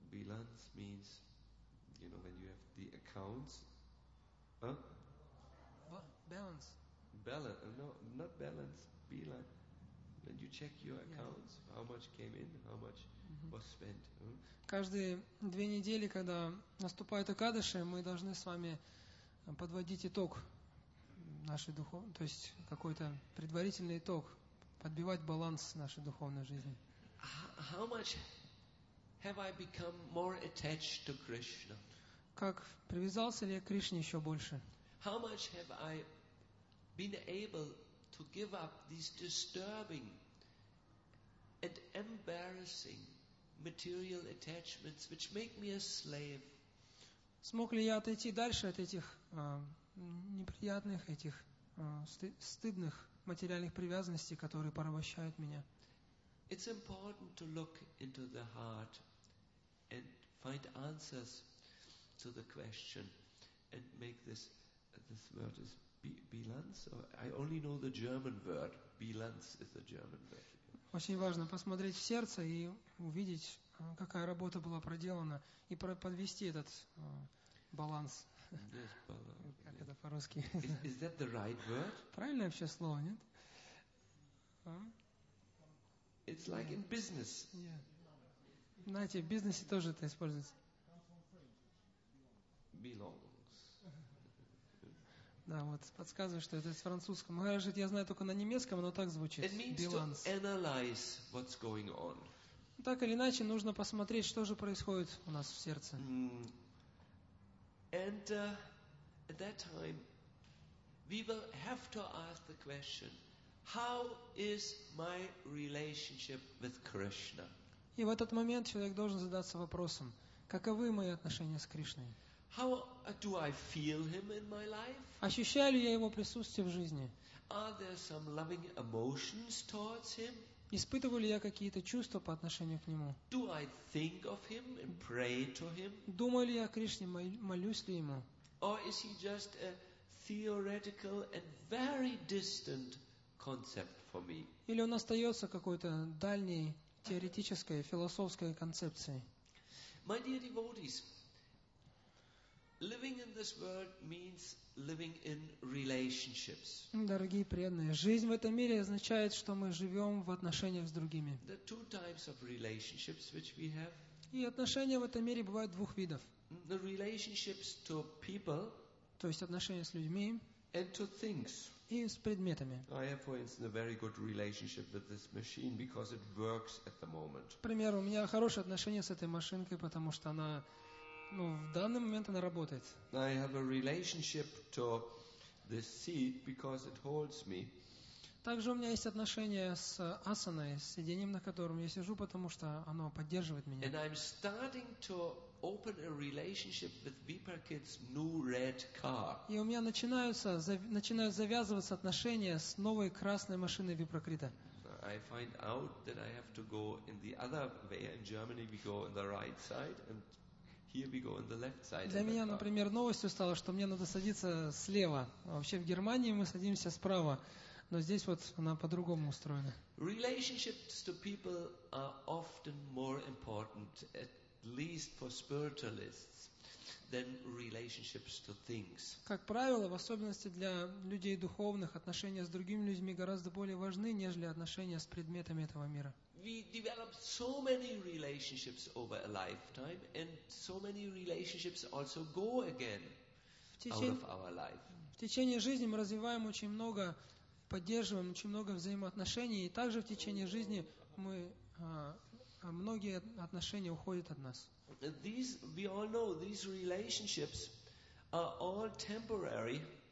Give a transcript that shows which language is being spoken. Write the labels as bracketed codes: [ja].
[en] Bilance means, you know, when you have the accounts. Huh? Balance. Bilance. When you check your accounts, yeah. How much came in, how much was spent. [ru] Каждые 2 недели, когда наступает Экадаши, мы должны с вами подводить итог нашей духовной, то есть какой-то предварительный итог, подбивать баланс нашей духовной жизни. [en] How much have I become more attached to Krishna? [ru] Как привязался ли я к Кришне еще больше? [en] How much have I been able to give up these disturbing and embarrassing material attachments which make me a slave? [ru] Смог ли я отойти дальше от этих неприятных, этих стыдных материальных привязанностей, которые порабощают меня? [en] It's important to look into the heart and find answers to the question and make this word is Bilanz? I only know the German word. Bilanz is the German word. [ru] Очень важно посмотреть в сердце и увидеть, какая работа была проделана, и подвести этот баланс. [en] Yes, [ru] как это по-русски? [en] Is that the right word? [ru] Правильное вообще слово, нет? [en] It's like in business. [ru] Yeah. Знаете, в бизнесе тоже это используется. [en] belongs. [ru] Да, вот подсказывает, что это из французского. Может быть, я знаю только на немецком, но так звучит. [en] It means bilance. To analyze what's going on. [ru] Так или иначе, нужно посмотреть, что же происходит у нас в сердце. [en] And at that time, we will have to ask the question, how is my relationship with Krishna? [ru] И в этот момент человек должен задаться вопросом, каковы мои отношения с Кришной? [en] How do I feel him in my life? [ru] Ощущаю ли я его присутствие в жизни? [en] Are there some loving emotions towards him? [ru] Испытываю ли я какие-то чувства по отношению к нему? [en] Do I think of him and pray to him? [ru] Думаю ли я о Кришне, молюсь ли ему? [en] Or is he just a theoretical and very distant concept for me? [ru] Или он остается какой-то дальней теоретической, философской концепцией? [en] My dear devotees, living in this world means living in relationships. [ru] Дорогие преданные, жизнь в этом мире означает, что мы живем в отношениях с другими. [en] The two types of relationships which we have. [ru] И отношения в этом мире бывают двух видов. [en] The relationships to people. [ru] То есть отношения с людьми. [en] And to things. [ru] И с предметами. [en] I have, for instance, a very good relationship with this machine because it works at the moment. [ru] Например, у меня хорошие отношения с этой машинкой, потому что она Ну, в данный момент она работает. [en] I have a relationship to this seat because it holds me. [ru] Также у меня есть отношение с асаной, с сиденьем, на котором я сижу, потому что оно поддерживает меня. [en] And I'm starting to open a relationship with Vipakit's new red car. [ru] И у меня начинают завязываться отношения с новой красной машиной Випракрита. [en] I find out that I have to go in the other way. In Germany we go on the right side and here we go on the left side. [ru] Для меня, например, новостью стало, что мне надо садиться слева. Вообще в Германии мы садимся справа, но здесь вот она по-другому устроена. [en] Relationships to people are often more important, at least for spiritualists, than relationships to things. [ru] Как правило, в особенности для людей духовных, отношения с другими людьми гораздо более важны, нежели отношения с предметами этого мира. [en] We develop so many relationships over a lifetime, and so many relationships also go again out of our life. [ru] В течение жизни мы развиваем очень много, поддерживаем очень много взаимоотношений, и также в течение жизни мы многие отношения уходят от нас. [en] These we all know. These relationships are all temporary.